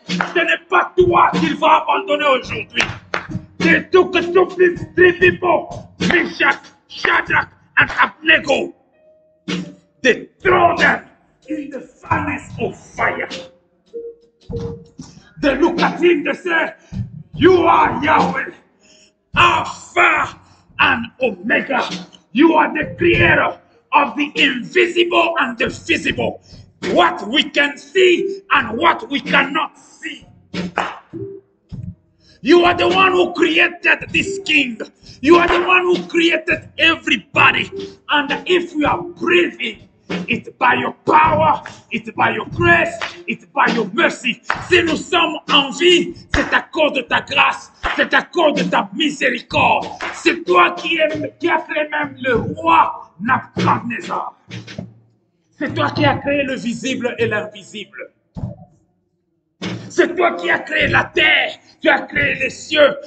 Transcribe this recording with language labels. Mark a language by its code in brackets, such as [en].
[fr] Ce n'est pas toi qu'il va abandonner aujourd'hui. C'est tout que tu fais, Tripipo, Meshach, Shadrach et Abednego. [en] They throw them in the furnace of fire. They look at him, they say, you are Yahweh, Alpha and Omega. You are the creator of the invisible and the visible. What we can see and what we cannot see. You are the one who created this king. You are the one who created everybody. And if we are breathing, it's by your power, it's by your grace, it's by your mercy. [fr] Si nous sommes en vie, c'est à cause de ta grâce, c'est à cause de ta miséricorde. C'est toi qui as créé même le roi Nabuchodonosor. C'est toi qui as créé le visible et l'invisible. C'est toi qui as créé la terre, tu as créé les cieux.